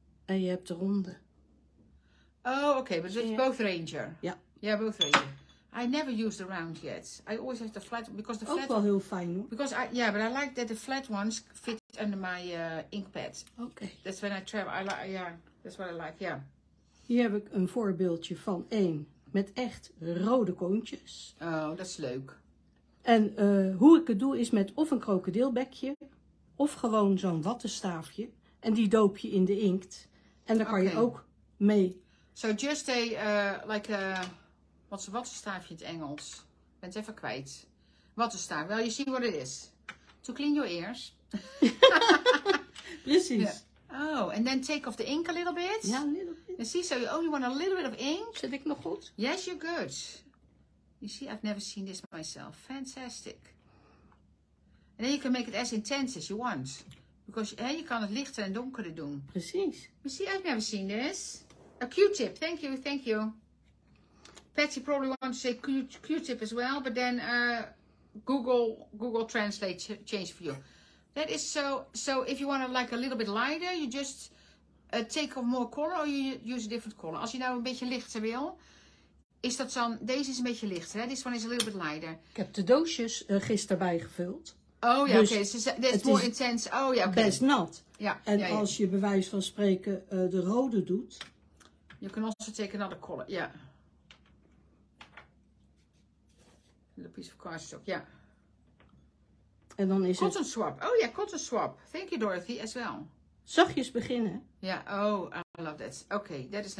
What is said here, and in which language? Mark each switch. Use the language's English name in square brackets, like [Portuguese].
[Dutch] En je hebt de ronde. [English] Oh, okay. But it's both Ranger. Yeah. Yeah, both Ranger. I never use the round yet. I always have the flat because the [Dutch] ook [English] flat. [Dutch] Ook wel heel fijn, hoor. [English] Because but I like that the flat ones fit under my ink pad. Okay. That's when I travel. I like. Yeah. That's what I like. Yeah. [Dutch] Hier heb ik een voorbeeldje van één met echt rode koontjes. Oh, dat is leuk. En hoe ik het doe is met of een krokodilbekje of gewoon zo'n wattenstaafje en die doop je in de inkt en daar kan je ook mee. [English] So just a like a. What's a wattenstaafje [Dutch] in het Engels? Ik ben het even kwijt. [English] Wattenstaaf. Well, you see what it is. To clean your ears. [Dutch] Precies. Yeah. [English] Oh, and then take off the ink a little bit. Ja, a little bit. You see, so you only want a little bit of ink. [Dutch] Zit ik nog goed? [English] Yes, you're good. You see, I've never seen this myself. Fantastic. And then you can make it as intense as you want. Because hey, you can [Dutch] het lichter en donkerder doen. Precies. [English] You see, I've never seen this. A Q-tip. Thank you, thank you. Patsy probably wants to say Q-tip as well, but then Google Translate changed for you. That is so if you want to like a little bit lighter, you just take off more color or you use a different color. [Dutch] Als je nou een beetje lichter wil, is dat dan, deze is een beetje lichter, hè? [English] This one is a little bit lighter. [Dutch] Ik heb de doosjes gisteren bijgevuld. [English] Oh ja, dus okay. So, more is intense. Oh ja, [Dutch] okay. Best nat. [English] Yeah. [Dutch] En [English] yeah, [Dutch] als je bij wijze van spreken de rode doet. [English] You can also take another color, ja. Yeah. A piece of cardstock, ja. [Dutch] En dan is [English] cotton [Dutch] het. [English] Cotton swap. Oh ja, yeah, cotton swap. Thank you, Dorothy, as well. [Dutch] Zachtjes beginnen. [English] Ja, yeah. Oh, I love that. Oké, that is nice.